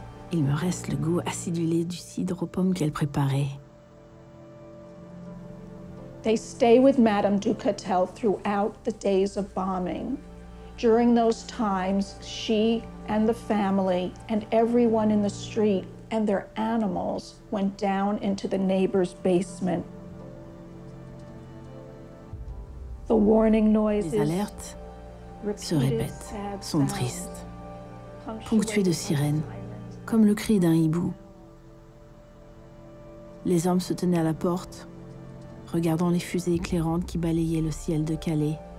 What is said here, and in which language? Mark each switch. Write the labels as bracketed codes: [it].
[fr] Il me reste le goût acidulé du cidre aux pommes qu'elle préparait. [en] They stay with Madame Ducatel throughout the days of bombing. During those times, she and the family and everyone in the street and their animals went down into the neighbor's basement. The warning noises, [fr] les alertes se répètent, sont tristes, ponctuées de sirènes, comme le cri d'un hibou. Les hommes se tenaient à la porte, regardant les fusées éclairantes qui balayaient le ciel de Calais.